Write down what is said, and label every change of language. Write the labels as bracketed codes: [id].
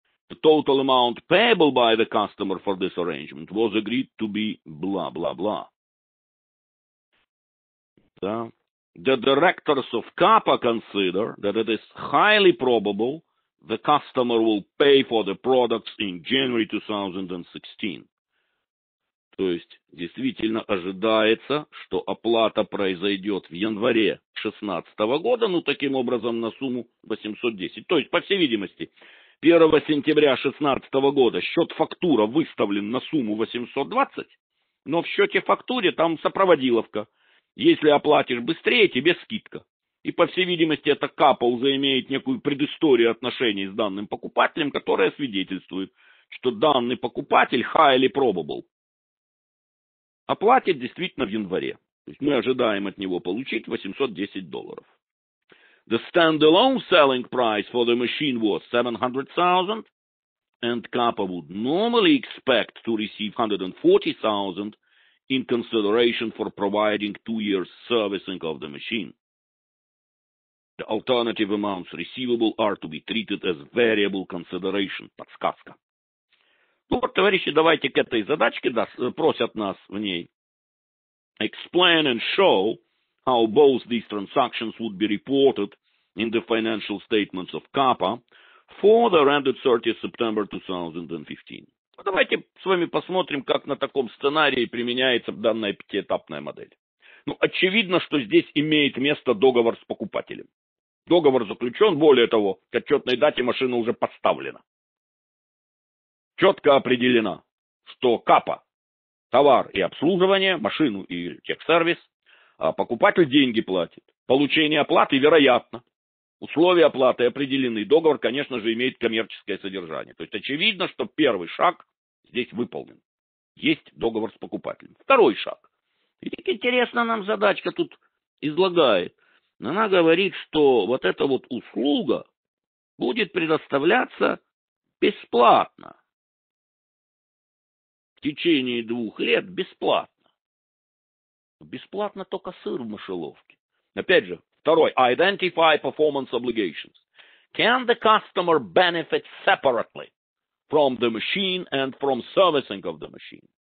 [en] The total amount payable by the customer for this arrangement was agreed to be blah, blah, blah. [ru] Да. [en] The directors of CAPA consider that it is highly probable the customer will pay for the products in January 2016. [ru] То есть, действительно ожидается, что оплата произойдет в январе 2016 года, ну, таким образом, на сумму 810. То есть, по всей видимости, 1 сентября 2016 года счет фактура выставлен на сумму 820, но в счете фактуре там сопроводиловка. Если оплатишь быстрее, тебе скидка. И, по всей видимости, это CAPA уже имеет некую предысторию отношений с данным покупателем, которая свидетельствует, что данный покупатель [en] highly probable [ru] оплатит действительно в январе. То есть мы ожидаем от него получить $810. [en] The standalone selling price for the machine was $700,000, and CAPA would normally expect to receive $140,000 in consideration for providing 2 years servicing of the machine. The alternative amounts receivable are to be treated as variable consideration. [ru] Подсказка. Ну вот, товарищи, давайте к этой задачке, да, просят нас в ней. [en] Explain and show how both these transactions would be reported in the financial statements of CAPA for the ended 30 September 2015. [ru] Давайте с вами посмотрим, как на таком сценарии применяется данная пятиэтапная модель. Ну, очевидно, что здесь имеет место договор с покупателем. Договор заключен, более того, к отчетной дате машина уже поставлена. Четко определено, что CAPA, товар и обслуживание, машину и техсервис, а покупатель деньги платит. Получение оплаты вероятно. Условия оплаты определены, договор, конечно же, имеет коммерческое содержание. То есть очевидно, что первый шаг здесь выполнен. Есть договор с покупателем. Второй шаг. Видите, интересная нам задачка тут излагает. Она говорит, что вот эта вот услуга будет предоставляться бесплатно. В течение 2 лет бесплатно. Бесплатно только сыр в мышеловке. Опять же, второй. [en] Identify performance obligations. Can the customer benefit separately from the machine and from servicing of the machine?